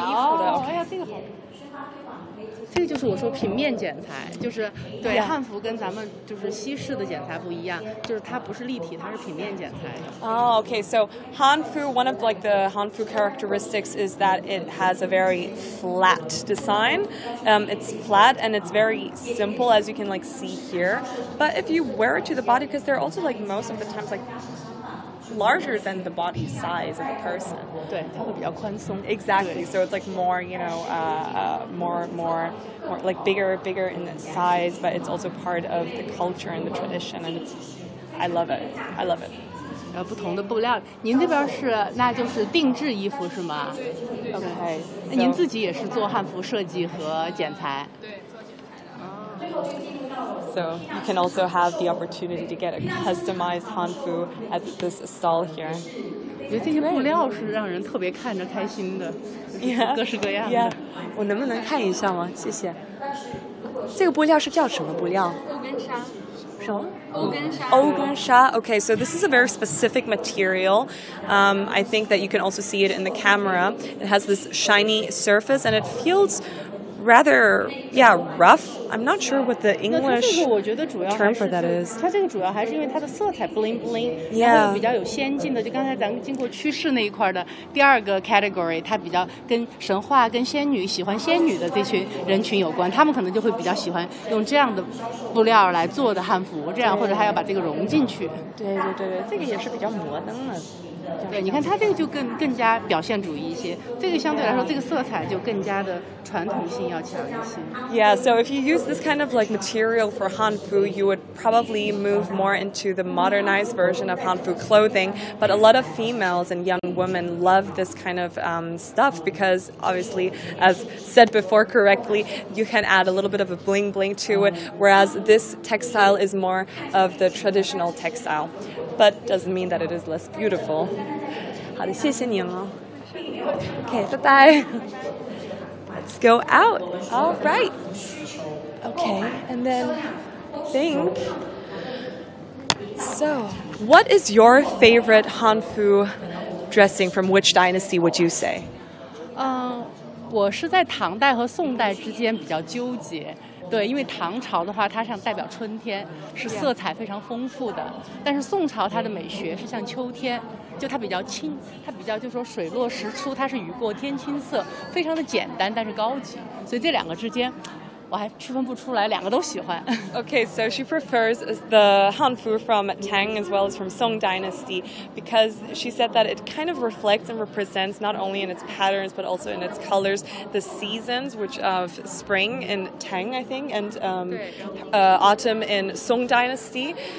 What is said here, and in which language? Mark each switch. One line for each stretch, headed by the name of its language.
Chinese: 哦，这个就是我说平面剪裁，就是对汉服跟咱们就是西式的剪裁不一样，就是它不是立体，它是平面剪裁的。
English: Oh, okay, so Hanfu, one of like the Hanfu characteristics is that it has a very flat design. It's flat and it's very simple, as you can like see here. But if you wear it to the body, because they're also like most of the times like. Larger than the body size of a person.
Chinese: 对，它会比较宽松。
English: Exactly. So it's like more, you know, more like bigger in size, but it's also part of the culture and the tradition. And it's, I love it.
Chinese: 不同的布料，您这边是那就是定制衣服是吗
English: ？Okay.
Chinese: 那您自己也是做汉服设计和剪裁？对，做剪裁。
English: So you can also have the opportunity to get a customized Hanfu at this stall here.
Chinese: 因为这些布料是让人特别看着开心的，各式各样的。 Yeah. 我能不能看一下吗？谢谢。这个布料是叫什么布料？欧根纱。
English: Ogunsha. Okay, so this is a very specific material. I think that you can also see it in the camera. It has this shiny surface and it feels rather, yeah, rough. I'm not sure what the English term for that is.
Chinese: 它这个主要还是因为它的色彩 bling bling,
English: yeah.
Chinese: 比较有先进的，就刚才咱们经过趋势那一块的第二个 category, 它比较跟神话、跟仙女、喜欢仙女的这群人群有关，他们可能就会比较喜欢用这样的布料来做的汉服，这样或者还要把这个融进去。对对对对，这个也是比较摩登的。对，你看它这个就更加表现主义一些，这个相对来说这个色彩就更加的传统性要强一些。
English: Yeah, so if you use this kind of like material for Hanfu, you would probably move more into the modernized version of Hanfu clothing. But a lot of females and young women love this kind of stuff because obviously, as said before correctly, you can add a little bit of a bling bling to it. Whereas this textile is more of the traditional textile, but doesn't mean that it is less beautiful.
Chinese: 好的，谢谢您哦。
English: OK, 拜拜。Let's go out. All right. Okay, and then think. So, what is your favorite Hanfu dressing from which dynasty would you say?
Chinese: 我是在唐代和宋代之间比较纠结。对，因为唐朝的话，它像代表春天，是色彩非常丰富的。但是宋朝它的美学是像秋天。就它比较轻，它比较就说水落石出，它是雨过天青色，非常的简单，但是高级。所以这两个之间，我还区分不出来，两个都喜欢。
English: Okay, so she prefers the Hanfu from Tang as well as from Song Dynasty because she said that it kind of reflects and represents not only in its patterns but also in its colors the seasons, which of spring in Tang, I think, and autumn in Song Dynasty.